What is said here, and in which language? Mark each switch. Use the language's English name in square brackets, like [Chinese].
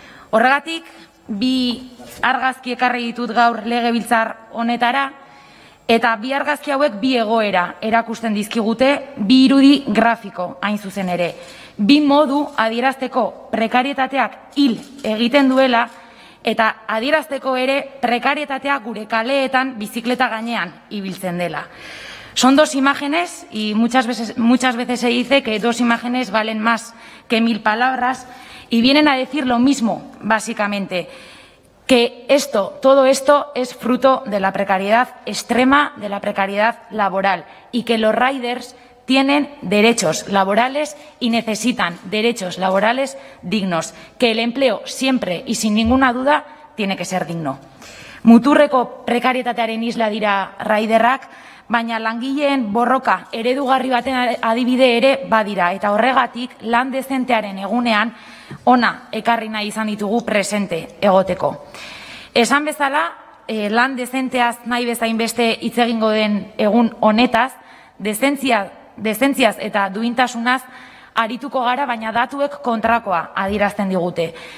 [Basque] Horregatik, bi argazki ekarri ditut gaur legebiltzar honetara, eta bi argazki hauek bi egoera erakusten dizkigute, bi irudi grafiko hain zuzen ere. Bi modu adierazteko prekarietateak hil egiten duela, eta adierazteko ere prekarietatea gure kaleetan bizikleta gainean ibiltzen dela. [Spanish] Son dos imágenes, y muchas veces se dice que dos imágenes valen más que mil palabras, y vienen a decir lo mismo, básicamente, que esto, todo esto, es fruto de la precariedad extrema, de la precariedad laboral, y que los riders tienen derechos laborales y necesitan derechos laborales dignos, que el empleo siempre y sin ninguna duda tiene que ser digno. [Basque] Muturreko prekarietatearen isla dira riderrak, baina langileen borroka eredugarri baten adibide ere badira, eta horregatik lan dezentearen egunean ona ekarri nahi izan ditugu presente egoteko. Esan bezala, lan dezenteaz nahi bezain beste hitz egingo den egun honetaz, dezentziaz eta duintasunaz arituko gara, baina datuek kontrakoa adierazten digute.